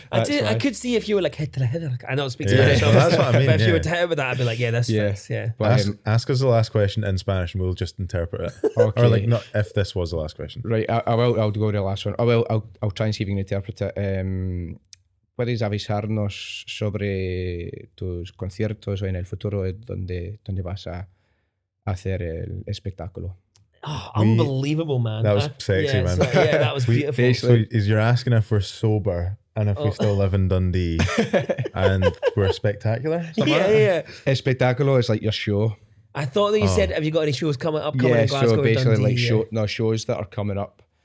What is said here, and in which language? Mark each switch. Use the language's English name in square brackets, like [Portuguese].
[English] I could see if you were like Hitler. I don't speak Spanish. Yeah. That's what I mean. But if you were to hit with that, I'd be like, yeah, this fits. Yeah. Ask us the last question in Spanish and we'll just interpret it. Okay. Or like, not if this was the last question. Right, I'll go to the last one. I'll try and see if you can interpret it. [Spanish] ¿Puedes avisarnos sobre tus conciertos o en el futuro donde vas a hacer el espectáculo? [English] Oh, unbelievable, man. That was sexy, man. So, yeah, that was beautiful. You're asking if we're sober and if we still live in Dundee and we're spectacular? Yeah. Espectáculo is like your show. I thought that you said, have you got any shows coming yeah, in Glasgow or Dundee? Basically, like shows that are coming up.